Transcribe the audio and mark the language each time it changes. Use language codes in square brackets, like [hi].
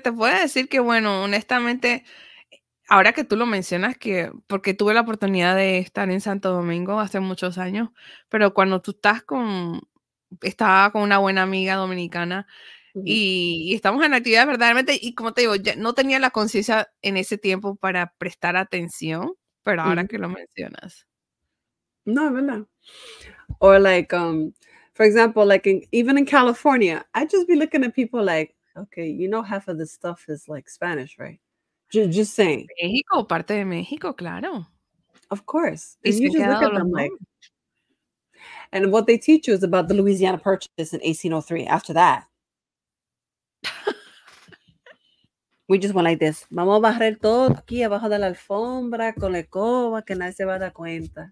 [es] Te puedo decir que, bueno, honestamente, ahora que tú lo mencionas, que porque tuve la oportunidad de estar en Santo Domingo hace muchos años, pero cuando tú estaba con una buena amiga dominicana y estamos en actividad verdaderamente, y como te digo, ya no tenía la conciencia en ese tiempo para prestar atención, pero ahora que lo mencionas, no, verdad. [en] Or like, for example, like, even in California, I'd just be looking at people like, okay, you know, half of this stuff is like Spanish, right? Just saying. [es] Mexico, parte de Mexico, claro. [en] Of course. And you just look at them like, and what they teach you is about the Louisiana Purchase in 1803. After that, we just went like this. [es] Vamos a barrer todo aquí abajo de la alfombra con la coba que nadie se va a dar cuenta.